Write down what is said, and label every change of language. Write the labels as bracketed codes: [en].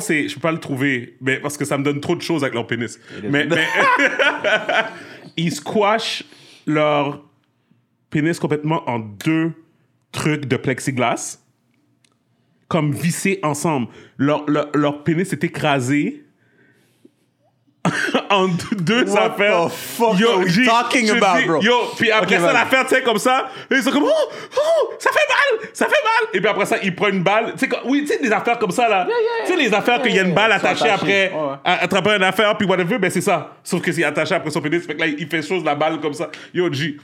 [fr] C'est, je peux pas le trouver, mais parce que ça me donne trop de choses avec leur pénis. Mais ils squashent leur. Pénis complètement en deux trucs de plexiglas, comme vissés ensemble. Leur pénis est écrasé en deux [en] What [fr] affaires. [en] What the fuck yo, are we talking about, bro? [fr] Yo, puis après okay, ça, l'affaire, tu sais, comme ça, ils sont comme, oh, oh, ça fait mal, ça fait mal. Et puis après ça, il prend une balle. Tu sais, oui, tu sais, des affaires comme ça, là. [en] Yeah, yeah, [fr] tu sais, les affaires qu'il y a une balle attachée après, attraper une affaire, puis whatever, ben c'est ça. Sauf que c'est attaché après son pénis. Fait que là, il fait chose, la balle, comme ça. [en] Yo, G.